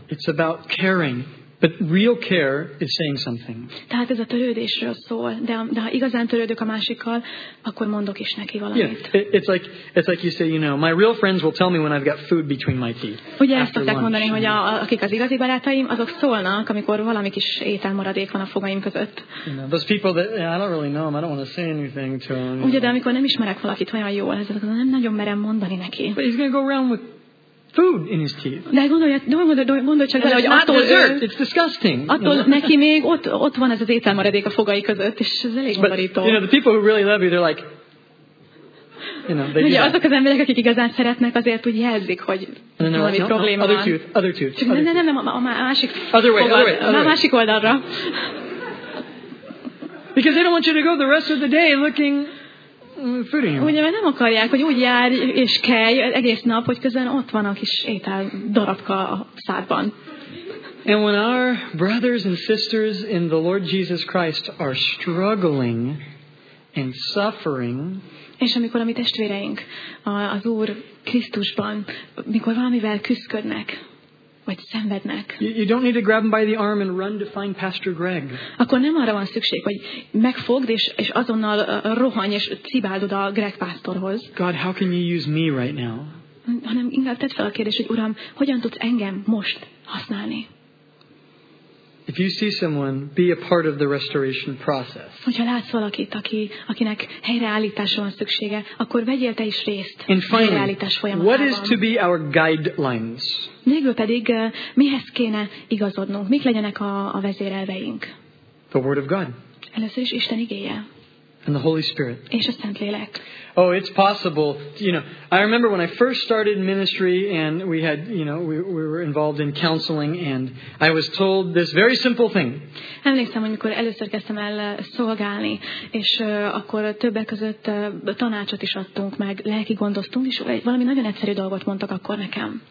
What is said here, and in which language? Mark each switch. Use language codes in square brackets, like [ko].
[en] It's about caring. But real care is saying something. [hu] Tehát ez a törődésről szól, de ha igazán törődök a másikkal, akkor mondok is neki valamit. [en] Yeah, it's like you say, you know, my real friends will tell me when I've got food between my teeth. [hu] Ugye ezt szokták mondani, hogy akik az igazi barátaim, azok szólnak, amikor valami kis ételmaradék van a fogaim között. [en] You know, those people that I don't really know them, I don't want to say anything to them. [hu] Ugye, de amikor nem ismerek valakit olyan jól, ezek nem nagyon merem mondani neki. [en] But he's gonna go around with food in his teeth. [hu] De gondolj csak bele, hogy attól [en] dessert. It's disgusting. [hu] Attól neki még ott van ez az ételmaradék a fogai között, és ez elég undorító. [en] You know, the people who really love you, they're like, you know, they. [hu] Ugye azok az emberek, akik igazán szeretnek, azért úgy jelzik, hogy valami probléma van. [en] Other tooth. [hu] Nem, a másik oldalra. [en] Because they don't want you to go the rest of the day looking. [hu] Ugye, mert nem akarják, hogy úgy járj és kelj egész nap, hogy közben ott van a kis étel darabka a szádban. [en] And when our brothers and sisters in the Lord Jesus Christ are struggling and suffering, [hu] és amikor a mi testvéreink az Úr Krisztusban, mikor valamivel küszködnek, vagy szenvednek. [en] You don't need to grab him by the arm and run to find Pastor Greg. [hu] Akkor nem arra van szükség, hogy megfogd és azonnal rohanj és cibáld oda a Greg pásztorhoz. [en] God, how can you use me right now? [hu] Hanem inkább tedd fel a kérdés, hogy Uram, hogyan tudsz engem most használni? [en] If you see someone, be a part of the restoration process. [hu] Hogyha látsz valakit, akinek helyreállításra van szüksége, akkor vegyél te is részt. [en] And finally, [hu] helyreállítás folyamatában. [en] What is to be our guidelines? [hu] Végül pedig mihez kéne igazodnunk? Mik legyenek a vezérelveink? [en] The Word of God. [hu] Először is Isten igéje. [en] And the Holy Spirit. [hu] És a Szentlélek. [en] Oh, it's possible. You know, I remember when I first started ministry and we had, you know, we were involved in counseling and I was told this very simple thing. [hu] Emlékszem, amikor először kezdtem el szolgálni, és akkor többek között tanácsot is adtunk, meg lelki gondoztunk, és valami nagyon egyszerű dolgot mondtak akkor nekem.